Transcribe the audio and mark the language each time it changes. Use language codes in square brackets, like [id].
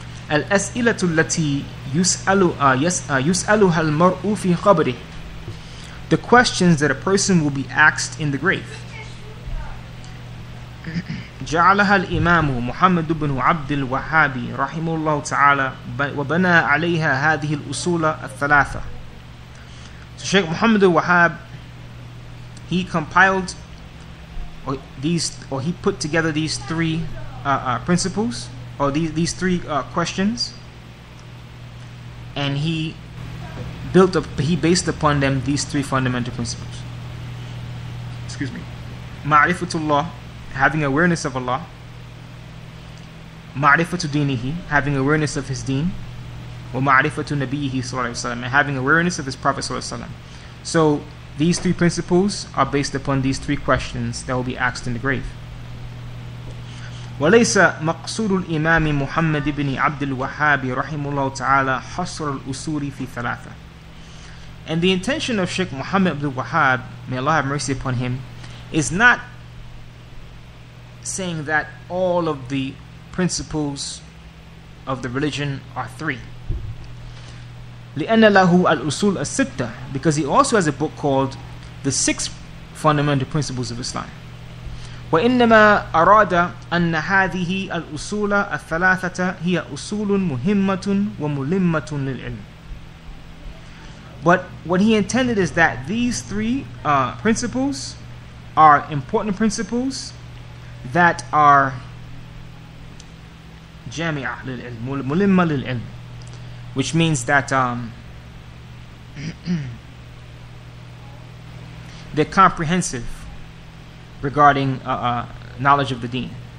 [ar] الأسئلة التي يسألها المرء في قبره. [en] The questions that a person will be asked in the grave. [ar] جعلها الإمام محمد بن عبد الوهاب رحمه الله تعالى وبنى عليها هذه الأصول الثلاثة. [en] So Sheikh Muhammad al-Wahhab, he compiled or he put together these three principles. These three questions, and he based upon them these three fundamental principles. Excuse me. Ma'rifatullah, having awareness of Allah. [ar] Ma'rifatu dinihi, [en] having awareness of his deen. [ar] Wa ma'rifatu nabiyihi sallallahu alayhi wa sallam, [en] and having awareness of his prophet sallallahu alayhi wa sallam. So these three principles are based upon these three questions that will be asked in the grave. [ar] وليس مقصود الإمام محمد بن عبد الوهاب رحمه الله تعالى حصر الأصول في ثلاثة. [en] And the intention of Sheikh Muhammad bin Wahhab, may Allah have mercy upon him, is not saying that all of the principles of the religion are three. [ar] لأن له الأصول الستة, [en] because he also has a book called The Six Fundamental Principles of Islam. [ar] وإنما أراد أن هذه الأصول الثلاثة هي أصول مهمة وملمة للعلم. [en] But what he intended is that these three principles are important principles that are [ar] جامعة للعلم, ملمة للعلم, [en] which means that they're comprehensive regarding knowledge of the deen.